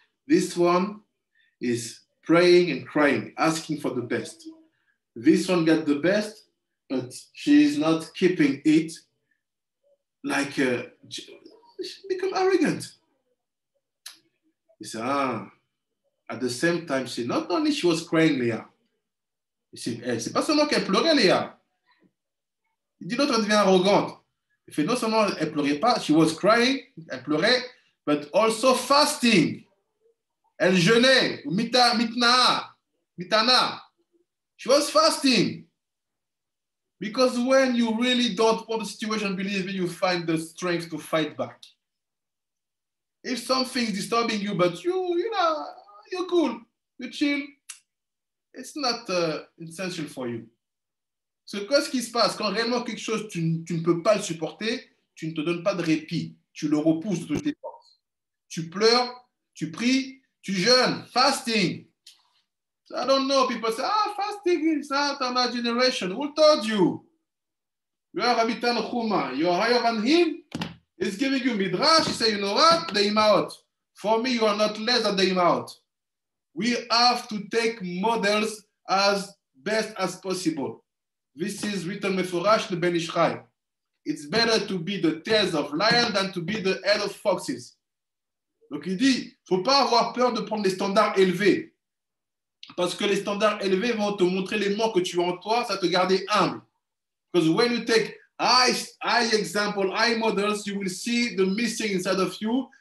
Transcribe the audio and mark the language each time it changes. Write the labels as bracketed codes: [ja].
[en] This one is praying and crying, asking for the best. This one got the best, but she is not keeping it like a. She become arrogant. He said, at the same time, she not only she was crying, Léa. [fr] He said, c'est pas seulement qu'elle pleurait, Léa. Il dit, l'autre devient arrogante. Il fait, non seulement elle pleurait pas, [en] she was crying, [fr] elle pleurait, [en] but also fasting. [fr] Elle jeûnait. [en] Mitana. She was fasting. Because when you really don't want the situation, believe me, you find the strength to fight back. If something is disturbing you, but you know, you're cool, you chill, it's not essential for you. [fr] So, qu'est-ce qui se passe? Quand réellement quelque chose, tu ne peux pas le supporter, tu ne te donnes pas de répit, tu le repousses de toutes tes forces. Tu pleures, tu pries, tu jeûnes, fasting. [en] So I don't know. People say, ah, fasting is not on our generation. Who told you? You are Rabbi Tanhuma. You are higher than him. He's giving you midrash. He say, you know what? The imaot. For me, you are not less than the imaot. We have to take models as best as possible. This is written meforash the Ben Ishchai. It's better to be the tails of lion than to be the head of foxes. [fr] Donc il dit, faut pas avoir peur de prendre des standards élevés. Parce que les standards élevés vont te montrer les morts que tu as en toi, ça te garder humble. [en] Because when you take high example, high models, you will see the missing inside of you.